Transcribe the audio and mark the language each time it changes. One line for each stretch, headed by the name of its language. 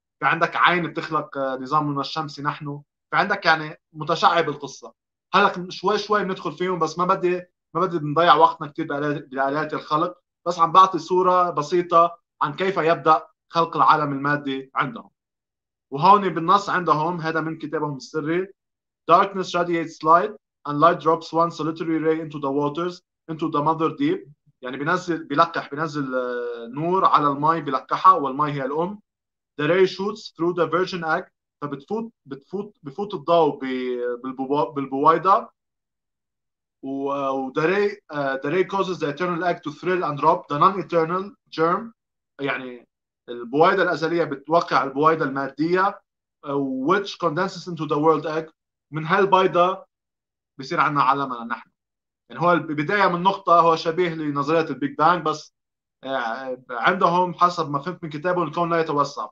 Arabic: في عندك عين بتخلق نظامنا الشمسي نحن، في عندك يعني متشعب القصة. هلق شوي شوي بندخل فيهم، بس ما بدي نضيع وقتنا كثير بآليات الخلق، بس عم بعطي صورة بسيطة عن كيف يبدأ خلق العالم المادي عندهم. وهون بالنص عندهم هذا من كتابهم السري:
English: Darkness radiates light and light drops one solitary ray into the waters into the mother deep.
Arabic: يعني بينزل نور على المي بلقحها، والمي هي الأم.
English: The ray shoots through the virgin egg.
Arabic: فبتفوت الضوء بالبويضة.
English: The ray causes the eternal egg to thrill and drop the non-eternal germ.
Arabic: يعني البويضة الأزلية بتوقع البويضة المادية
English: which condenses into the world egg.
Arabic: من هالبيضة بيصير عنا عالمنا نحن. يعني هو البداية من نقطة، هو شبيه لنظرية البيج بانج، بس عندهم حسب ما فهمت من كتابهم الكون لا يتوسع.